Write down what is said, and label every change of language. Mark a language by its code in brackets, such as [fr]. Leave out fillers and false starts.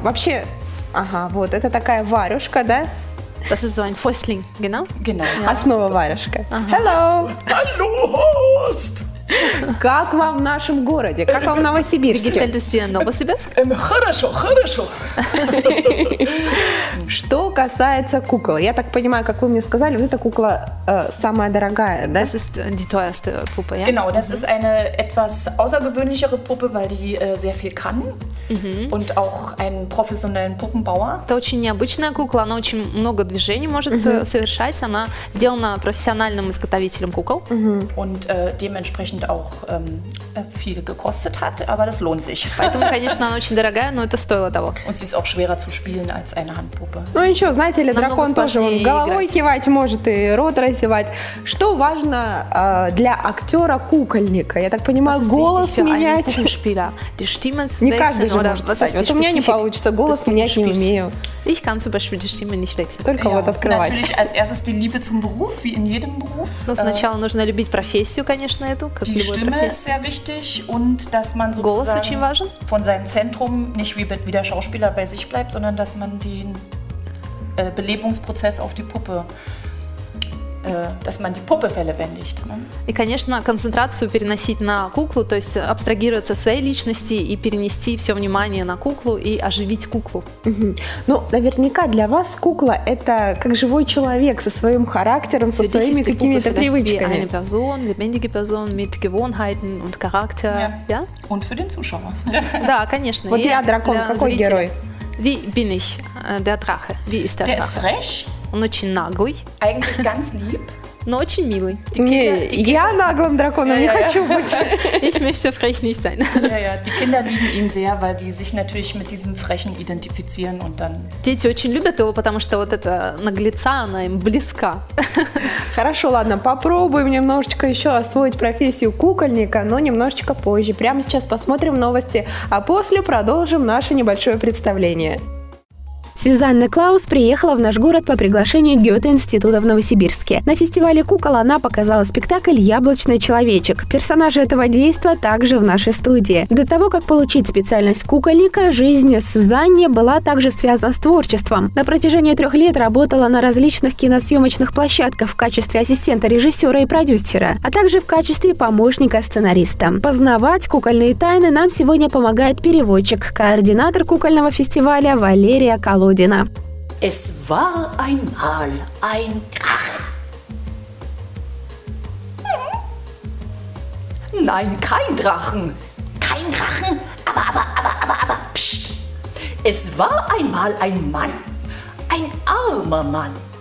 [ru] Вообще, ага, вот, это такая варюшка, да? [de] Das ist so ein Fäustling, genau? Genau. [ru] Основа варюшка. [en] Hello! [de] Hallo, Horst! [ru] Как вам в нашем городе? Как вам в Новосибирске? [de] Wie gefällt es dir in Novosibirsk? [ru] Хорошо, хорошо. Что касается кукол, я так понимаю, как вы мне сказали, вот эта кукла самая дорогая, да? [de] Das ist die teuerste Puppe, ja? Genau, das ist eine etwas außergewöhnlichere Puppe, weil die sehr viel kann und auch einen professionellen Puppenbauer. [ru] Это очень необычная кукла, она очень много движений может совершать, она сделана профессиональным изготовителем кукол. [de] Und dementsprechend auch viel gekostet hat, aber das lohnt sich. [ru] Поэтому, конечно, она очень дорогая, но это стоило того. [de] Und sie ist auch schwerer zu spielen als eine Handpuppe. [ru] Ну и что, знаете ли, дракон тоже он головой кивать может и рот разевать. Что важно для актера кукольника? Я так понимаю, голос менять. Не каждый же может стать. Вот у меня не получится, голос менять не умею. [de] Ich kann zum Beispiel die Stimme nicht wechseln. [ru] Только вот открывать. [de] Natürlich als erstes die Liebe zum Beruf, wie in jedem Beruf. [ru] Ну сначала нужно любить профессию, конечно, эту. [de] Die Stimme ist sehr wichtig und dass man sozusagen von seinem Zentrum nicht wie der Schauspieler bei sich bleibt, sondern dass man den Belebungsprozess auf die Puppe, dass man die Puppe verlebendigt. [ru] И, конечно, концентрацию переносить на куклу, то есть абстрагироваться от своей личности и перенести все внимание на куклу и оживить куклу. Ну, наверняка для вас кукла – это как живой человек со своим характером, со своими какими-то привычками. [de] Eine Person, lebendige Person mit Gewohnheiten und Charakter. Ja. Und für den Zuschauer. [ru] Да, конечно. Вот я дракон, какой герой? [de] Wie bin ich? Der Drache. Wie ist der Drache? Der ist frech. [ru] Он очень наглый. [de] Eigentlich ganz lieb. [ru] но очень милый. [de] Die Kinder, [ru] я наглым драконом не хочу быть. [de] Ich möchte frech nicht sein. Die Kinder lieben ihn sehr, weil die sich natürlich mit diesem Frechen identifizieren und dann... [ru] Дети очень любят его, потому что вот эта наглеца, она им близка. Хорошо, ладно, попробуем немножечко еще освоить профессию кукольника, но немножечко позже. Прямо сейчас посмотрим новости, а после продолжим наше небольшое представление. Сюзанна Клаус приехала в наш город по приглашению Гёте-института в Новосибирске. На фестивале кукол она показала спектакль «Яблочный человечек». Персонажи этого действа также в нашей студии. До того, как получить специальность кукольника, жизнь Сюзанне была также связана с творчеством. На протяжении 3 лет работала на различных киносъемочных площадках в качестве ассистента режиссера и продюсера, а также в качестве помощника-сценариста. Познавать кукольные тайны нам сегодня помогает переводчик, координатор кукольного фестиваля Валерия Колодина. [de] Es war einmal ein Drache. Nein, kein Drachen. Kein Drachen? Aber, pst! Es war einmal ein Mann. Ein armer Mann.